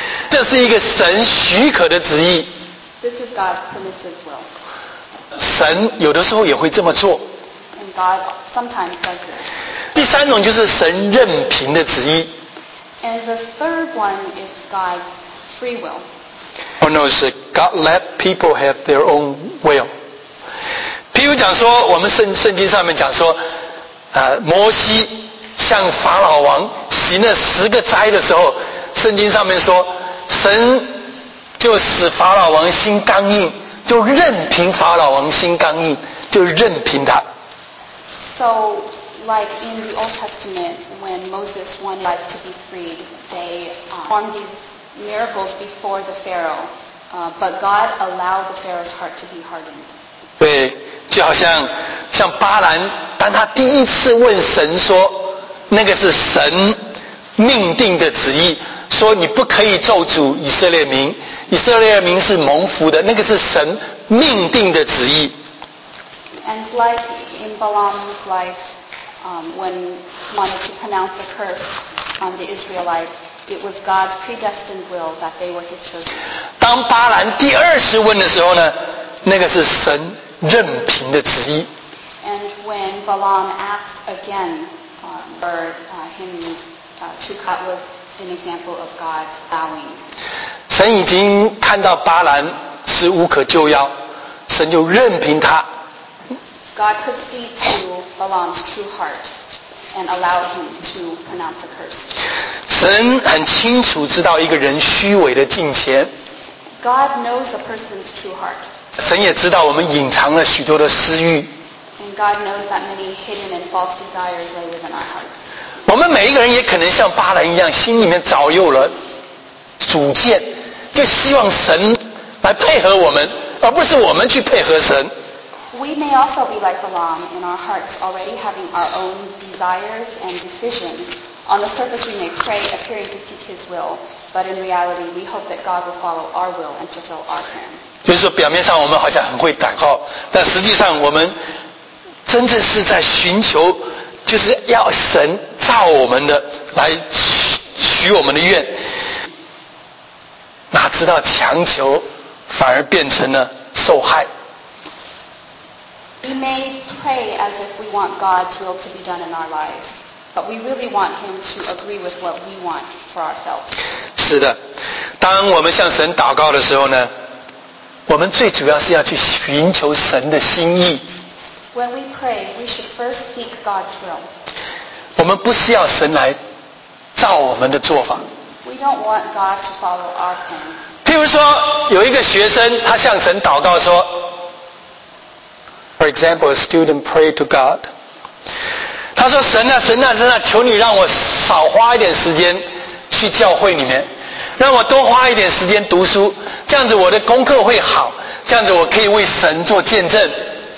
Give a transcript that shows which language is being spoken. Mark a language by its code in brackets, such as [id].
[zh] 这是一个神许可的旨意。 [en] This is God's permissive will. [zh] 神有的时候也会这么做。 [en] And God sometimes does this. [zh] 第三种就是神任凭的旨意。 [en] And the third one is God's free will. Oh no, it's God let people have their own will. [zh] 譬如讲说，我们圣经上面讲说，摩西向法老王行了十个灾的时候，圣经上面说，神就使法老王心刚硬，就任凭法老王心刚硬，就任凭他。 [en] So, like in the Old Testament, when Moses wanted Israelites to be freed, they performed these miracles before the Pharaoh, but God allowed the Pharaoh's heart to be hardened. [zh] 对，就好像巴兰，当他第一次问神说，那个是神命定的旨意，说你不可以咒诅以色列民，以色列民是蒙福的，那个是神命定的旨意。 [en] And like in Balaam's life, when he wanted to pronounce a curse on the Israelites, it was God's predestined will that they were his chosen. [zh] 当巴兰第二次问的时候呢，那个是神任凭的旨意。 [en] And when Balaam asked again, for him to cut was an example of God's allowing. [zh] 神已经看到巴兰是无可救药，神就任凭他。 [en] God could see to Balaam's true heart and allow him to pronounce a curse. [zh] 神很清楚知道一个人虚伪的境界。 [en] God knows a person's true heart. [zh] 神也知道我们隐藏了许多的私欲。 [en] And God knows that many hidden and false desires lay within our hearts. [zh] 我们每一个人也可能像巴兰一样，心里面早有了主见，就希望神来配合我们，而不是我们去配合神。 [en] We may also be like Balaam in our hearts, already having our own desires and decisions. On the surface, we may pray, appearing to seek His will, but in reality, we hope that God will follow our will and fulfill our plans. [zh] 就是说，表面上我们好像很会祷告，但实际上我们真正是在寻求，就是要神照我们的来许我们的愿。哪知道强求反而变成了受害。 [en] We may pray as if we want God's will to be done in our lives, but we really want Him to agree with what we want for ourselves. [zh] 是的，当我们向神祷告的时候呢，我们最主要是要去寻求神的心意。 [en] When we pray, we should first seek God's will. [zh] 我们不是要神来照我们的做法。 [en] We don't want God to follow our plans. [zh] 譬如说，有一个学生，他向神祷告说。 [en] For example, a student prayed to God. [zh] 他说：“神啊，求你让我少花一点时间去教会里面，让我多花一点时间读书，这样子我的功课会好，这样子我可以为神做见证。”